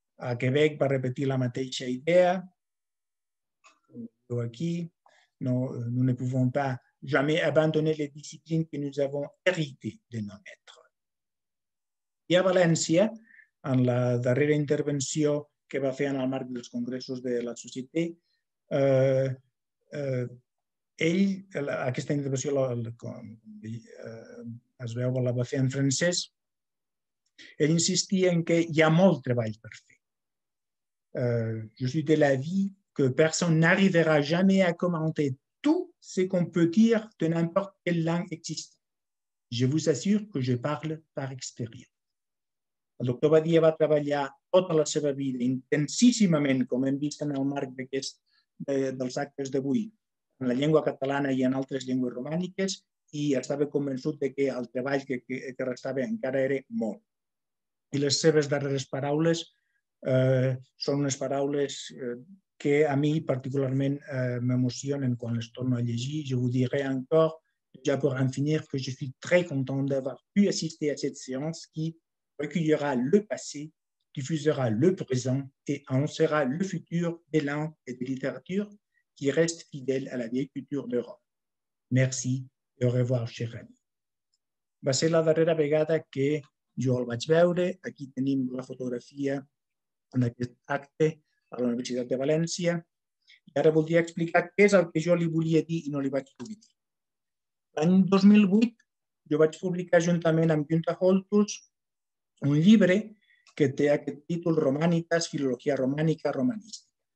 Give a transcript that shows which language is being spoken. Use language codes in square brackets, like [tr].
[ca] A Quebec va repetir la mateixa idea. Jo aquí [fr] no ne pouvons pas jamais abandonner les disciplines que nous avons héritées de nos maîtres. [ca] I a València, en la darrera intervenció que va fer en el marc dels congressos de la societat, ell, aquesta intervenció es veu, la va fer en francès, ell insistia en que hi ha molt treball per fer. [fr] Je suis de l'avis que personne n'arrivera jamais à commenter ce qu'on peut dire de n'importe quelle langue existe. Je vous assure que je parle par expérience. [ca] El doctor Badia va treballar tota la seva vida intensíssimament, com hem vist en el marc dels actes d'avui, en la llengua catalana i en altres llengües romàniques, i estava convençut que el treball que restava encara era molt. I les seves darreres paraules són unes paraules que a mi particularment m'emocionen quan les torno a llegir. [fr] Je vous dirai encore, déjà pour en finir, que je suis très content d'avoir pu assister à cette séance qui recueillera le passé, diffusera le présent et annoncera le futur des langues et des littératures qui restent fidèles à la vieille culture d'Europe. Merci et au revoir, cher ami. [ca] Va ser la darrera vegada que jo el vaig veure. Aquí tenim la fotografia en aquest acte a la Universitat de València, i ara voldria explicar què és el que jo li volia dir i no li vaig poder dir. L'any 2008 jo vaig publicar juntament amb Günther Holthus un llibre que té aquest títol Romanitas, Filologia Romànica, Romanística.